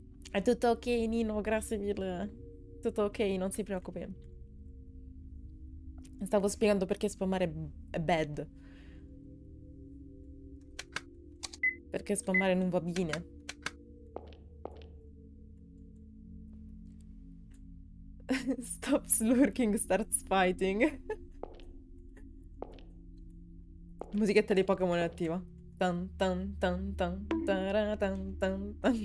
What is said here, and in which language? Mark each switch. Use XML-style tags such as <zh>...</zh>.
<it>È tutto ok, Nino, grazie mille. Tutto ok, non si preoccupi. Stavo spiegando perché spammare è bad. Perché spammare non va bene.</it> <en>Stop slurking, start fighting.</en> <it>Musichetta dei Pokémon è attiva. Tan tan tan tan tan tan tan.</it>